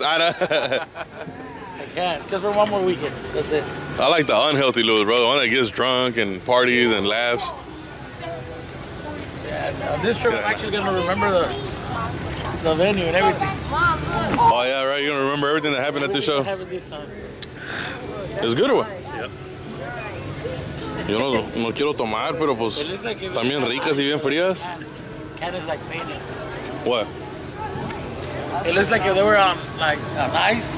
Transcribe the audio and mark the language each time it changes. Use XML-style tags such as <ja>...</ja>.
<en>I can't. Just for one more weekend. That's it. I like the unhealthy Louis, bro. The one that gets drunk and parties and laughs. Yeah, no, this trip, I'm actually going to remember the venue and everything. Oh, yeah, right. You're going to remember everything that happened at the show. It's good, bro. Yeah.</en> <es>Yo no quiero tomar, pero pues también ricas y bien frías.</es> <en>Cat is like fading. What? It looks like if they were on, like, on ice.</en>